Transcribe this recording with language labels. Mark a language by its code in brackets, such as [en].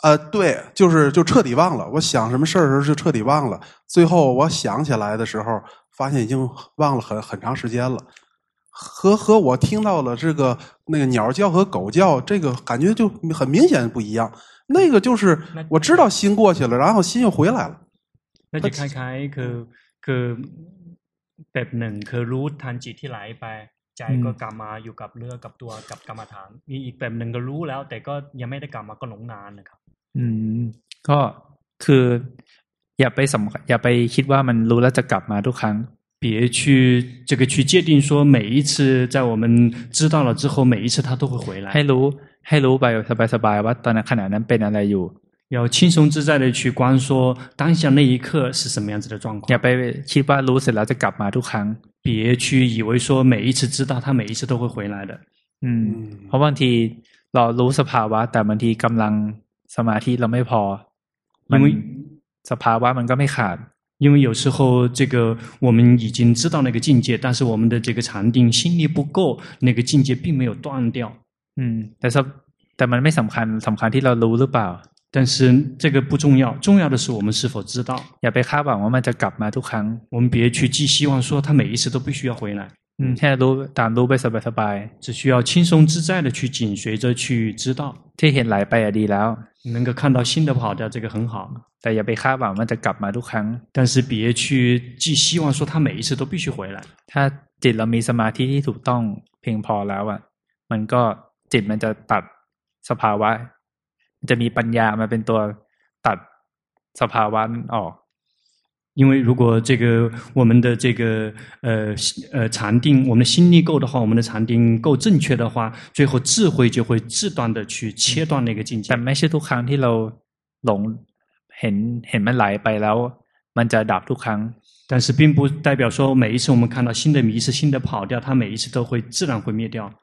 [zh] 对，就彻底忘了。我想什么事儿的时候就彻底忘了，最后我想起来的时候，发现已经忘了很长时间了。和我听到了这个那个鸟叫和狗叫，这个感觉就很明显不一样。那个就是我知道心过去了，然后心又回来了。那就看看 [th] คือแบบหนึ่งคือรู้ทันจิตที่ไหลไปใจก็กลับมาอยู่กับเรื่องกับตัวกับกรรมฐานมีอีกแบบหนึ่งก็รู้แล้วแต่ก็ยังไม่ได้กลับมาก็หลงนานนะครับ ก็คืออย่าไปสำคัญอย่าไปคิดว่ามันรู้แล้วจะกลับมาทุกครั้ง [zh] 别去这个去界定说每一次在我们知道了之后每一次他都会回来。 [th] ให้รู้ไปสบายๆว่าตอนนั้นขณะนั้นเป็นอะไรอยู่ [zh] 要轻松自在的去观说当下那一刻是什么样子的状况。อ [th] ย่าไปคิดว่ารู้เสร็จแล้วจะกลับมาทุกครั้ง [zh] 别去以为说每一次知道他每一次都会回来的。 [th] เพราะบางทีเรารู้สภาวะแต่บางทีกำลังสมาธิเราไม่พอมันสภาวะมันก็ไม่ขาด [zh] 因为有时候这个我们已经知道那个境界，但是我们的这个禅定心力不够，那个境界并没有断掉。但是 [th] สำคัญสำคัญที่เรารู้หรือเปล่า？ [zh] 但是这个不重要，重要的是我们是否知道。 [th] อย่าไปคาดหวังว่ามันจะกลับมาทุกครั้ง。 [zh] 我们别去寄希望说他每一次都必须要回来。 [th] แค่รู้ตามรู้ไปสบายสบาย。 [zh] 只需要轻松自在的去紧随着去知道。 [th] ที่เห็นไหลไปอ่ะดีแล้ว。 [zh] 能够看到新的跑掉，这个很好。 [th] แต่อย่าไปคาดหวังว่าจะกลับมาทุกครั้ง。 [zh] 但是别去寄希望说他每一次都必须回来。 [th] ถ้าจิตเรามีสมาธิที่ถูกต้องเพียงพอแล้วอ่ะมันก็จิตมันจะตัดสภาวะจะมีปัญญามาเป็นตัวตัดสภาวะนั้นออก [zh] 因为如果这个我们的这个禅定我们的心力够的话我们的禅定够正确的话最后智慧就会自断的去切断那个境界 [th] แต่ไม่ใช่ทุกครั้งที่เราหลงเห็นมันไหลไปแล้วมันจะดับทุกครั้ง [zh] 但是并不代表说每一次我们看到新的迷失新的跑掉它每一次都会自然会灭掉